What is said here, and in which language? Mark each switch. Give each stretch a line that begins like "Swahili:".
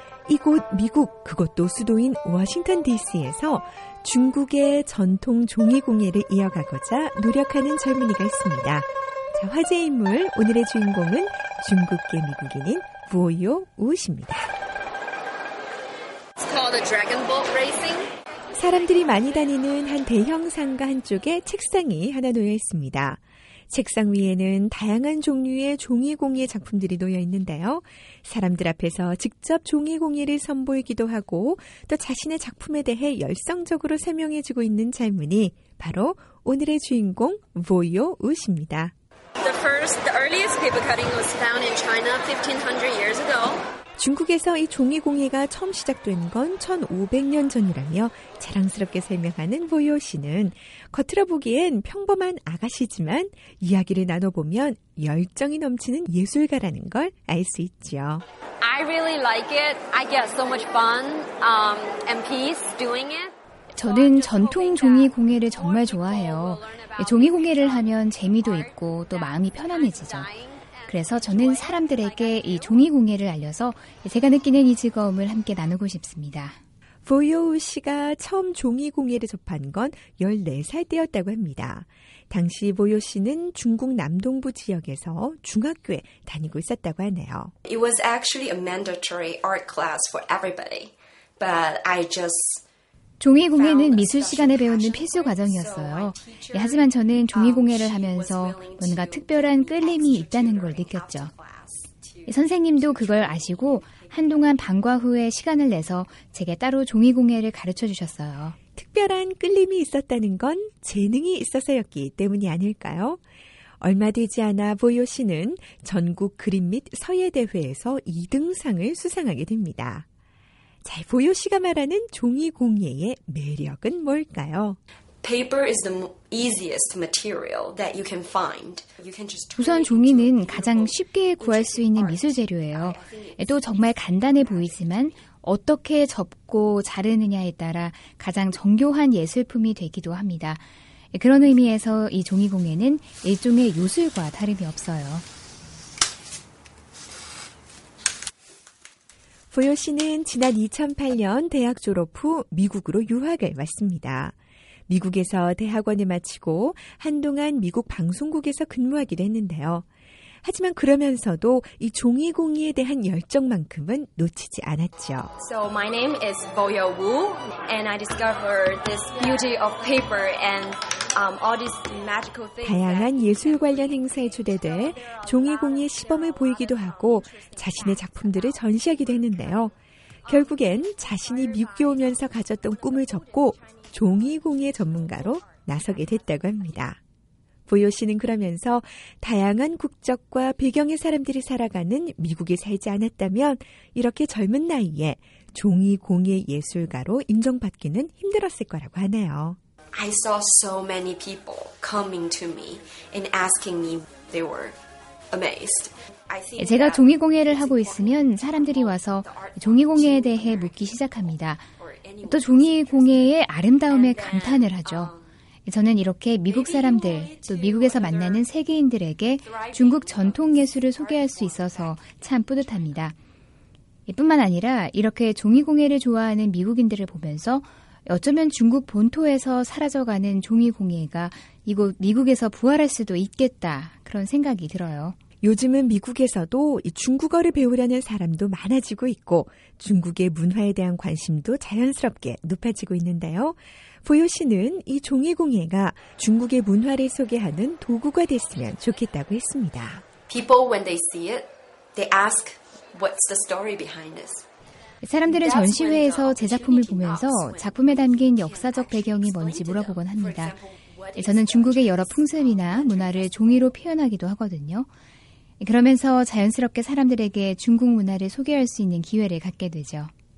Korean: 이곳 미국, 그것도 수도인 워싱턴 DC에서 중국의 전통 종이 공예를 이어가고자 노력하는 젊은이가 있습니다. 자, 자, 화제 인물 오늘의 주인공은 중국계 미국인인 부오요 우시입니다.
English: It's called a dragon boat racing.
Korean: 사람들이 많이 다니는 한 대형 상가 한쪽에 책상이 하나 놓여 있습니다. 책상 위에는 다양한 종류의 종이공예 작품들이 놓여 있는데요. 사람들 앞에서 직접 종이공예를 선보이기도 하고 또 자신의 작품에 대해 열성적으로 설명해주고 있는 젊은이 바로 오늘의 주인공 보요 우시입니다.
English: The earliest paper cutting was found in China 1500 years ago.
Korean: 중국에서 이 종이공예가 처음 시작된 건 1500년 전이라며 자랑스럽게 설명하는 보요 씨는 겉으로 보기엔 평범한 아가씨지만 이야기를 나눠보면 열정이 넘치는 예술가라는 걸 알 수 있죠.
English: I really like it. I get so much fun and peace doing it.
Korean: 저는 전통 종이공예를 정말 좋아해요. 종이공예를 하면 재미도 있고 또 마음이 편안해지죠. 그래서 저는 사람들에게 이 종이공예를 알려서 제가 느끼는 이 즐거움을 함께 나누고 싶습니다. 보요우 씨가 처음 종이공예를 접한 건 14살 때였다고 합니다. 당시 보요 씨는 중국 남동부 지역에서 중학교에 다니고 있었다고 하네요.
English: It was actually a mandatory art class for everybody. But I just...
Korean: 종이공예는 미술 시간에 배우는 필수 과정이었어요. 예, 하지만 저는 종이공예를 하면서 뭔가 특별한 끌림이 있다는 걸 느꼈죠. 예, 선생님도 그걸 아시고 한동안 방과 후에 시간을 내서 제게 따로 종이공예를 가르쳐 주셨어요. 특별한 끌림이 있었다는 건 재능이 있어서였기 때문이 아닐까요? 얼마 되지 않아 보요 씨는 전국 그림 및 서예 대회에서 2등상을 수상하게 됩니다. 자, 보요 씨가 말하는 종이 공예의 매력은 뭘까요?
English: Paper is the easiest material that you can find.
Korean: 우선 종이는 가장 쉽게 구할 수 있는 미술 재료예요. 또 정말 간단해 보이지만 어떻게 접고 자르느냐에 따라 가장 정교한 예술품이 되기도 합니다. 그런 의미에서 이 종이 공예는 일종의 요술과 다름이 없어요. 보요 씨는 지난 2008년 대학 졸업 후 미국으로 유학을 왔습니다. 미국에서 대학원을 마치고 한동안 미국 방송국에서 근무하기도 했는데요. 하지만 그러면서도 이 종이공예에 대한 열정만큼은 놓치지 않았죠.
English: So my name is Boyo Wu and I discovered this beauty of paper and all these magical things.
Korean: 다양한 예술 관련 행사에 초대돼 종이공예 시범을 보이기도 하고 자신의 작품들을 전시하기도 했는데요. 결국엔 자신이 미국에 오면서 가졌던 꿈을 접고 종이공예 전문가로 나서게 됐다고 합니다. 보요 씨는 그러면서 다양한 국적과 배경의 사람들이 살아가는 미국에 살지 않았다면 이렇게 젊은 나이에 종이 공예 예술가로 인정받기는 힘들었을 거라고 하네요.
English: I saw so many people coming to me and asking me. They were amazed.
Korean: 제가 종이 공예를 하고 있으면 사람들이 와서 종이 공예에 대해 묻기 시작합니다. 또 종이 공예의 아름다움에 감탄을 하죠. 저는 이렇게 미국 사람들, 또 미국에서 만나는 세계인들에게 중국 전통 예술을 소개할 수 있어서 참 뿌듯합니다. 뿐만 아니라 이렇게 종이공예를 좋아하는 미국인들을 보면서 어쩌면 중국 본토에서 사라져가는 종이공예가 이곳 미국에서 부활할 수도 있겠다, 그런 생각이 들어요. 요즘은 미국에서도 중국어를 배우려는 사람도 많아지고 있고 중국의 문화에 대한 관심도 자연스럽게 높아지고 있는데요. 보요 씨는 이 종이공예가 중국의 문화를 소개하는 도구가 됐으면 좋겠다고 했습니다.
English: People, when they see it, they ask what's the story behind this.
Korean: 사람들은 전시회에서 제 작품을 보면서 작품에 담긴 역사적 배경이 뭔지 물어보곤 합니다. 저는 중국의 여러 풍습이나 문화를 종이로 표현하기도 하거든요. 그러면서 자연스럽게 사람들에게 중국 문화를 소개할 수 있는 기회를 갖게 되죠.